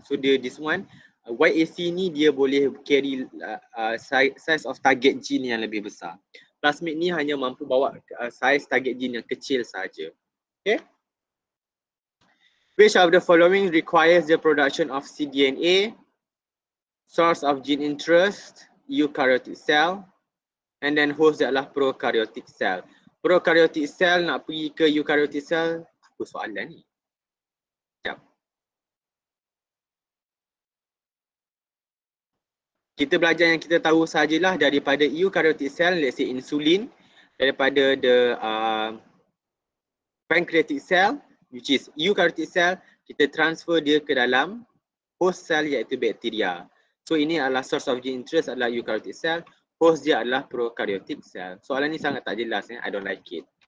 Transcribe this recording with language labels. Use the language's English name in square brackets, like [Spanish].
[Malay] So dia [English] this one [Malay] YAC ni dia boleh carry size of target gene yang lebih besar. Plasmid ni hanya mampu bawa size target gene yang kecil sahaja. Okay. [English] Which of the following requires the production of cDNA? Source of gene interest, eukaryotic cell. And then host [Malay] adalah [English] prokaryotic cell. [Malay] Prokaryotic cell nak pergi ke eukaryotic cell? Apa soalan ni? Sekejap. Kita belajar yang kita tahu sajalah daripada eukaryotic cell, [English] let's say [Malay] insulin. Daripada the pancreatic cell, [English] which is [Malay] eukaryotic cell, kita transfer dia ke dalam host cell iaitu bakteria. So ini adalah source of gene interest adalah eukaryotic cell. Host dia adalah prokaryotic cell. Soalan ni sangat tak jelas, eh? [English] I don't like it.